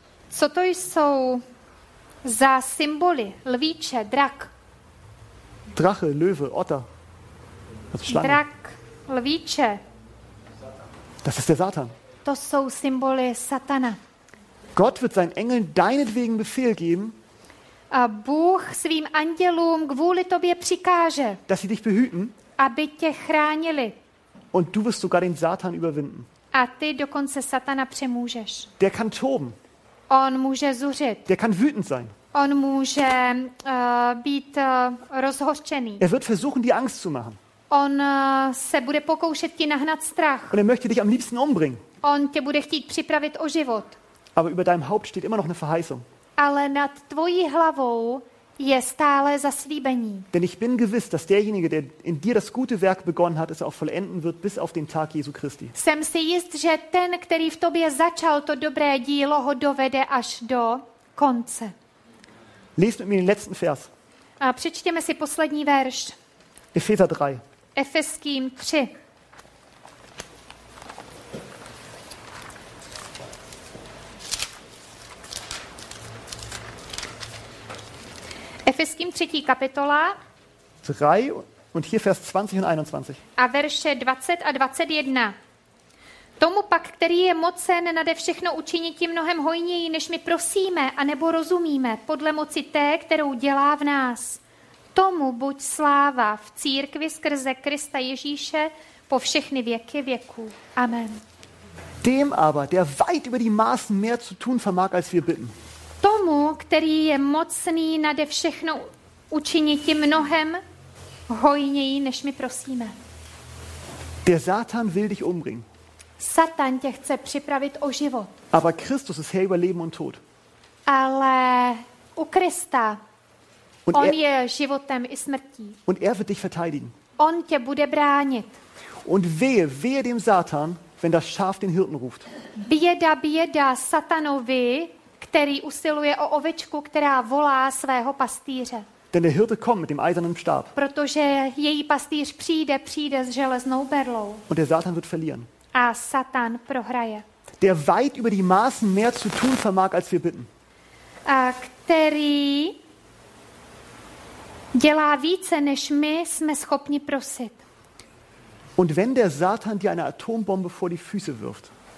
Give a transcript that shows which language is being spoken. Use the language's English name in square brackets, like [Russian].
[Czech] Co to jsou za symboly? Lvíče, drak. [German] Drache, Löwe, Otter. Das ist Schlange. [Czech] Drak, Lvíče. [German] Das ist der Satan. [Czech] To jsou symboly Satana. [German] Gott wird seinen Engeln deinetwegen Befehl geben. [Czech] A Bůh svým andělům kvůli tobě přikáže. [German] Dass sie dich behüten. [Czech] Aby tě chránili. [German] Und du wirst sogar den Satan überwinden. [Czech] A ty dokonce Satana přemůžeš. [German] Der kann toben. [Czech] On může zuřit. [German] Der kann wütend sein. [Czech] On může být rozhořčený. [German] Er wird versuchen, dir Angst zu machen. [Czech] On se bude pokoušet ti nahnat strach. [German] Und er möchte dich am liebsten umbringen. [Czech] On tě bude chtít připravit o život. [German] Aber über deinem Haupt steht immer noch eine Verheißung. [Czech] Ale nad tvojí hlavou je stále zaslíbení. [German] Denn ich bin gewiss, dass derjenige, der in dir das gute Werk begonnen hat, es auch vollenden wird bis auf den Tag Jesu Christi. [Czech] Jsem si jist, že ten, který v tobě začal to dobré dílo, ho dovede až do konce. [German] Lest mit mir den letzten Vers. [Czech] A přečtěme si poslední verš. [German] Epheser 3. [Czech] Efeským 3. Efeským 3. kapitola. [German] 3 und hier Vers 20 und 21. [Czech] A verše 20 a 21. Tomu pak, který je mocen nade všechno učinit mnohem hojněji, než my prosíme a nebo rozumíme, podle moci té, kterou dělá v nás. Tomu buď sláva v církvi skrze Krista Ježíše po všechny věky věků. Amen. [German] Dem aber, der weit über die Maßen mehr zu tun vermag, als wir bitten. [Czech] Tomu, který je mocný nade všechno učinit mnohem hojněji, než my prosíme. [German] Der Satan will dich umbringen. [Czech] Satan tě chce připravit o život. [German] Aber Christus ist Herr über Leben und Tod. [Czech] Ale u Krista, und on je životem i smrtí. [German] Und er wird dich verteidigen. [Czech] On tě bude bránit. [German] Und wehe, wehe dem Satan, wenn das Schaf den Hirten ruft. [Czech] Běda, běda Satanovi, který usiluje o ovečku, která volá svého pastýře. [German] Denn der Hirte kommt mit dem eisernen Stab. [Czech] Protože její pastýř přijde s železnou berlou. [German] Und der Satan wird verlieren. [Czech] A Satan prohraje. [German] Der weit über die Maßen mehr zu tun vermag, als wir bitten. [Czech] A který dělá více, než my jsme schopni prosit. [German] Und wenn der Satan dir eine Atombombe vor die Füße wirft,